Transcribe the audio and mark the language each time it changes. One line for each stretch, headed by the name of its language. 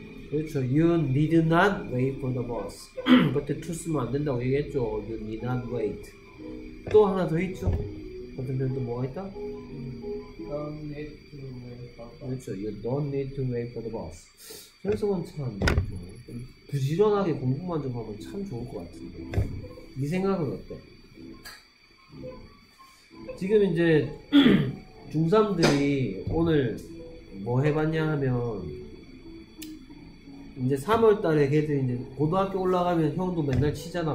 Korean: 그렇죠.
English: You need not wait for the bus.
Korean: 그때 to 쓰면 안 된다고 얘기했죠.
English: You need not wait.
Korean: 또 하나 더 있죠? 같은 표현도 뭐가 있다? You don't need to wait for the bus. 현수건 참 부지런하게 공부만 좀 하면 참 좋을 것 같은데 네 생각은 어때? 지금 이제 중3들이 오늘 뭐 해봤냐 하면 이제 3월달에 걔들 이제 고등학교 올라가면 형도 맨날 치잖아.